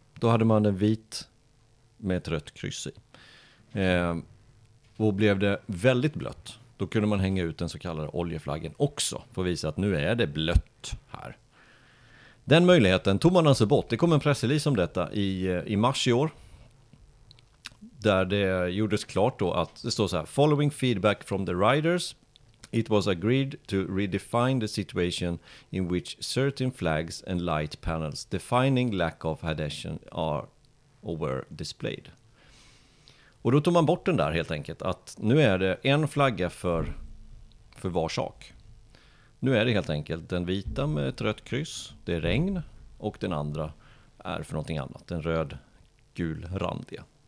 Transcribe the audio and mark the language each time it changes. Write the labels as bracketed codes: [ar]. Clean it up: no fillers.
[sv] Då hade man en vit med ett rött kryss i. Och blev det väldigt blött, då kunde man hänga ut den så kallade oljeflaggen också. För att visa att nu är det blött här. Den möjligheten tog man alltså bort. Det kom en pressrelease om detta i mars i år. Där det gjordes klart då att det står så här: [en] following feedback from the riders, it was agreed to redefine the situation in which certain flags and light panels defining lack of adhesion are or were displayed. [sv] Och då tog man bort den där helt enkelt, att nu är det en flagga för var sak. Nu är det helt enkelt den vita med ett rött kryss, det är regn, och den andra är för någonting annat, den röd gul randiga.